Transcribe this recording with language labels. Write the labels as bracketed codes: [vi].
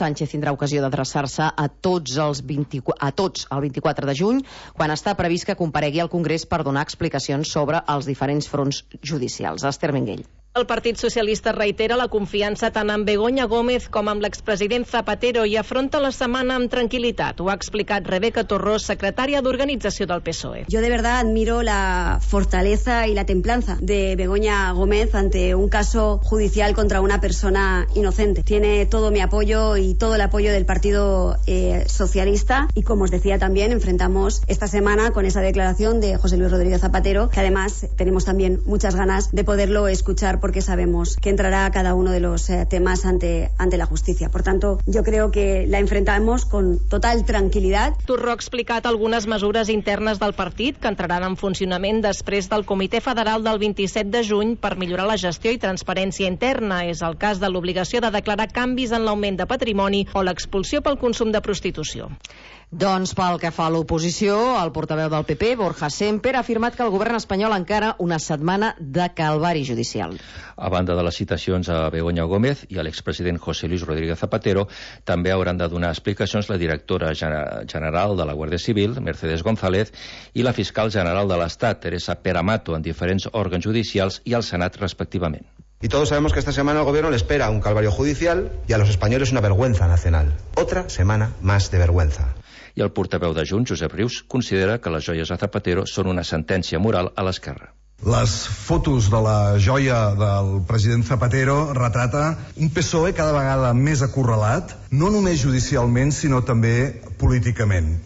[ca] Sánchez tindrà ocasió d'adreçar-se a tots el 24 de juny, quan està previst que comparegui al Congrés per donar explicacions sobre els diferents fronts judicials. Esther Menguell. El Partit Socialista reitera la confiança tant en Begoña Gómez com amb l'expresident Zapatero i afronta la setmana amb tranquil·litat. Ho ha explicat Rebeca Torró, secretària d'organització del PSOE. [es] Jo de verdad admiro la fortaleza y la templanza de Begoña Gómez ante un caso judicial contra una persona inocente. Tiene todo mi apoyo y todo el apoyo del Partido Socialista y, como os decía también, enfrentamos esta semana con esa declaración de José Luis Rodríguez Zapatero, que además tenemos también muchas ganas de poderlo escuchar porque sabemos que entrará cada uno de los temas ante la justicia. Por tanto, yo creo que la enfrentamos con total tranquilidad. [ca] Torró ha explicat algunes mesures internes del partit que entraran en funcionament després del Comitè Federal del 27 de juny per millorar la gestió i transparència interna. És el cas de l'obligació de declarar canvis en l'augment de patrimoni o l'expulsió pel consum de prostitució. Doncs pel que fa a l'oposició, el portaveu del PP, Borja Sémper, ha afirmat que el govern espanyol encara una setmana de calvari judicial. A banda de les citacions a Begoña Gómez i a l'expresident José Luis Rodríguez Zapatero, també hauran de donar explicacions la directora general de la Guàrdia Civil, Mercedes González, i la fiscal general de l'Estat, Teresa Peramato, en diferents òrgans judicials i al Senat, respectivament. [es] Y todos sabemos que esta semana el gobierno le espera un calvario judicial y a los españoles una vergüenza nacional. Otra semana más de vergüenza. [ca] I el portaveu de Junts, Josep Rius, considera que les joies a Zapatero són una sentència moral a l'esquerra. Les fotos de la joia del president Zapatero retrata un PSOE cada vegada més acorralat, no només judicialment, sinó també políticament.